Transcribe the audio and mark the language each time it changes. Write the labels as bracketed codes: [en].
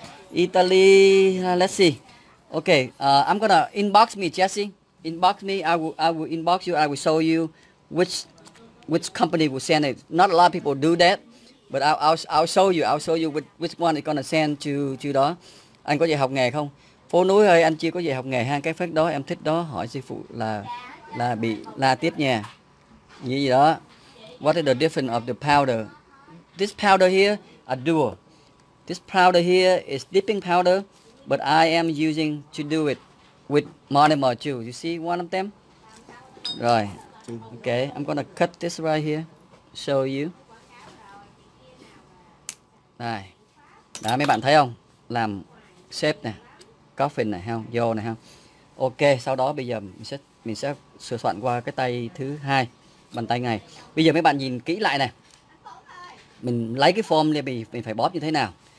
[en] Italy, let's see. Okay, I'm gonna inbox me, Jesse. Inbox me. I will inbox you. I will show you which company will send it. Not a lot of people do that, but I'll show you. I'll show you which one is gonna send to đó. [vi] Anh có gì học nghề không? Phố núi ơi, anh chưa có gì học nghề ha. Cái phép đó em thích đó. Hỏi sư phụ là bị la tiếp nha. Như gì đó. [en] What is the difference of the powder? This powder here, a dual. This powder here is dipping powder, but I am using to do it with monomer too. You see one of them? Rồi. Okay, I'm gonna cut this right here, show you. [vi] Đây. Đó, mấy bạn thấy không? Làm shape này, coffin này, không? Vô này, không? Okay, sau đó bây giờ mình sẽ sửa soạn qua cái tay thứ hai, bàn tay này. Bây giờ mấy bạn nhìn kỹ lại này. Mình lấy cái form này, mình phải bóp như thế nào?